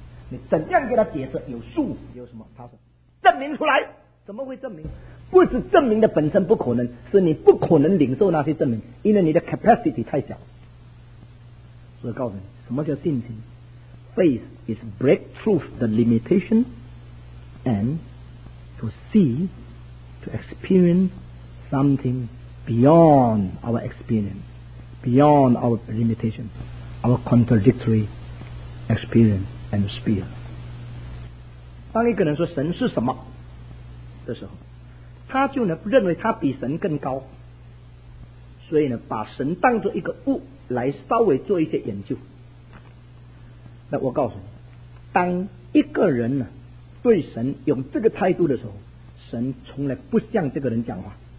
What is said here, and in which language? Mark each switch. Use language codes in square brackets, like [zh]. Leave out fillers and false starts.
[zh] 你怎样给他解释有树有什么？他说证明出来。怎么会证明？不是证明的本身不可能，是你不可能领受那些证明，因为你的 capacity 太小。所以告诉你什么叫信心。 [en] Faith is break through the limitation and to see, to experience something beyond our experience, beyond our limitation, our contradictory experience and sphere. [zh] 当一个人说神是什么的时候，他就呢认为他比神更高，所以呢把神当作一个物来稍微做一些研究。那我告诉你，当一个人呢对神用这个态度的时候，神从来不向这个人讲话。